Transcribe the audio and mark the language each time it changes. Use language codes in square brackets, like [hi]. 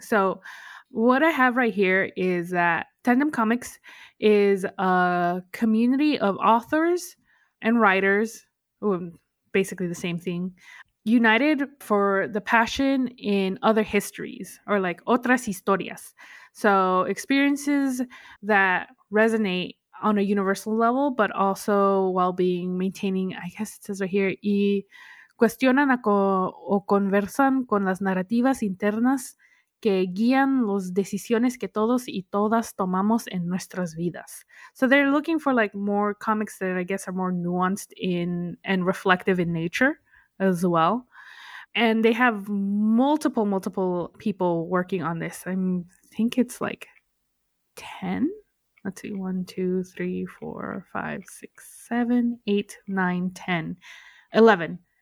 [en] So what I have right here is that Tandem Comics is a community of authors and writers, basically the same thing, united for the passion in other histories, or like [es] otras historias. [en] So experiences that resonate on a universal level, but also while maintaining, I guess it says right here, y [es] cuestionan o conversan con las narrativas internas que guían las decisiones que todos y todas tomamos en nuestras vidas. [en] So they're looking for like more comics that I guess are more nuanced in and reflective in nature as well. And they have multiple people working on this. I think it's like 10. Let's see, 11.